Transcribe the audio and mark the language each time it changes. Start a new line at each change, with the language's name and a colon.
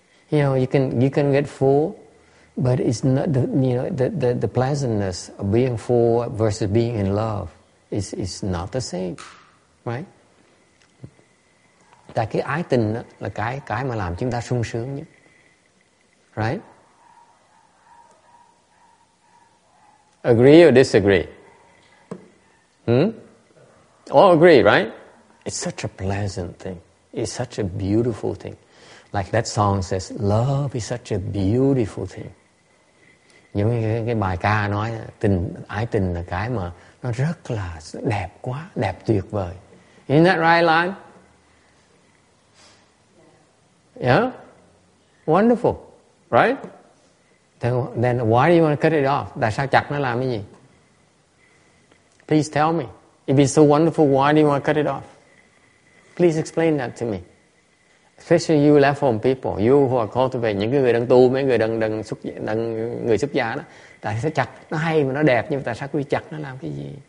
English: You know, you can get full, but it's not the pleasantness of being full versus being in love is not the same, right?
Vietnamese: Tại cái ái tình đó là cái mà làm chúng ta sung sướng nhất, right?
English: Agree or disagree? All agree, right? It's such a pleasant thing. It's such a beautiful thing. Like that song says, love is such a beautiful thing.
Vietnamese: Giống như cái bài ca nói, tình ái tình là cái mà nó rất là đẹp quá, đẹp tuyệt vời.
English: Isn't that right, Lan? Yeah? Wonderful, right? Then why do you want to cut it off?
Vietnamese: Tại sao chặt nó làm cái gì?
English: Please tell me. If it's so wonderful, why do you want to cut it off? Please explain that to me. Especially you left home people, you who are cultivating,
Vietnamese: những cái người đang tu, mấy người đang người xuất gia đó, tại sao chặt nó hay mà nó đẹp nhưng mà tại sao quy chặt nó làm cái gì?